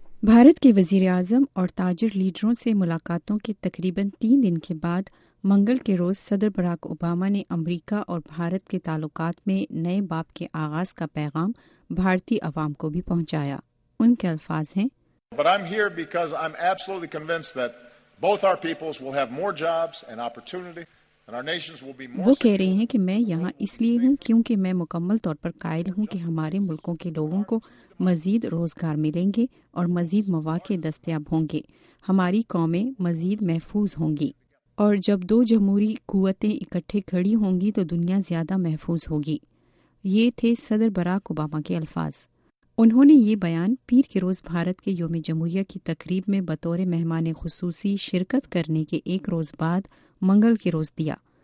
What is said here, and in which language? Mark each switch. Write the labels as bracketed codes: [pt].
[ur] بھارت کے وزیر اعظم اور تاجر لیڈروں سے ملاقاتوں کے تقریباً 3 دن کے بعد منگل کے روز صدر براک اوباما نے امریکہ اور بھارت کے تعلقات میں نئے باب کے آغاز کا پیغام بھارتی عوام کو بھی پہنچایا. ان کے الفاظ ہیں: [en] But I'm here because I'm absolutely convinced that Both our peoples will have more jobs and opportunity. [ur] وہ کہہ رہے ہیں کہ میں یہاں اس لیے ہوں کیونکہ میں مکمل طور پر قائل ہوں کہ ہمارے ملکوں کے لوگوں کو مزید روزگار ملیں گے اور مزید مواقع دستیاب ہوں گے، ہماری قومیں مزید محفوظ ہوں گی، اور جب دو جمہوری قوتیں اکٹھے کھڑی ہوں گی تو دنیا زیادہ محفوظ ہوگی۔ یہ تھے صدر باراک اوباما کے الفاظ۔ انہوں نے یہ بیان پیر کے روز بھارت کے یوم جمہوریہ کی تقریب میں بطور مہمان خصوصی شرکت کرنے کے ایک روز بعد منگل کے روز دیا۔